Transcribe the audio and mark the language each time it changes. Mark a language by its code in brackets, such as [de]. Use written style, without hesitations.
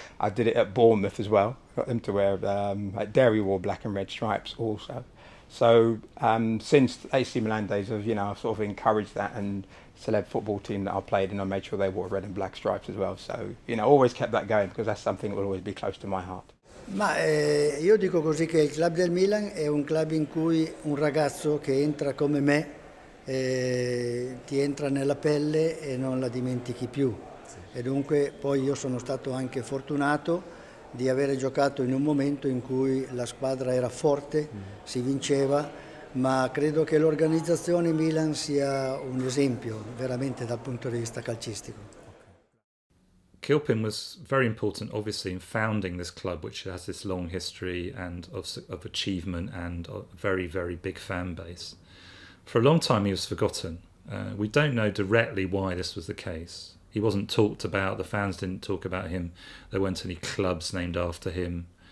[en] I did it at Bournemouth as well. Got them to wear, Derry wore black and red stripes also. So since AC Milan days, I've sort of encouraged that, and celeb football team that I played in, I made sure they wore red and black stripes as well. So, you know, always kept that going, because that's something that will always be close to my heart. [it] Ma io dico così che il club del Milan è un club in cui un ragazzo che entra come me ti entra nella pelle e non la dimentichi più. E dunque poi io sono stato anche fortunato di avere giocato in un momento in cui la squadra era forte, si vinceva, ma credo che l'organizzazione Milan sia un esempio veramente dal punto di vista calcistico. [en] Kilpin was very important obviously in founding this club, which has this long history and of achievement and a very very big fan base. For a long time he was forgotten. We don't know directly why this was the case. He wasn't talked about, the fans didn't talk about him, there weren't any clubs named after him.